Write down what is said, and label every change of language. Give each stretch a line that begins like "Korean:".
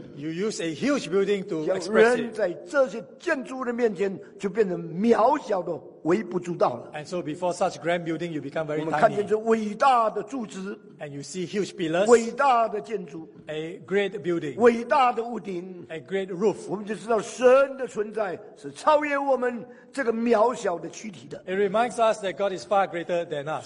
English: You use a huge building to express it.
Chinese: 人在这些建筑的面前就变成渺小的。微不足道了。
English: And so before such grand building, you become very tiny.
Chinese: 我们看见这伟大的柱子。
English: And you see huge pillars.
Chinese: 伟大的建筑。
English: A great building.
Chinese: 伟大的屋顶。
English: A great roof.
Chinese: 我们就知道神的存在是超越我们这个渺小的躯体的。
English: It reminds us that God is far greater than us.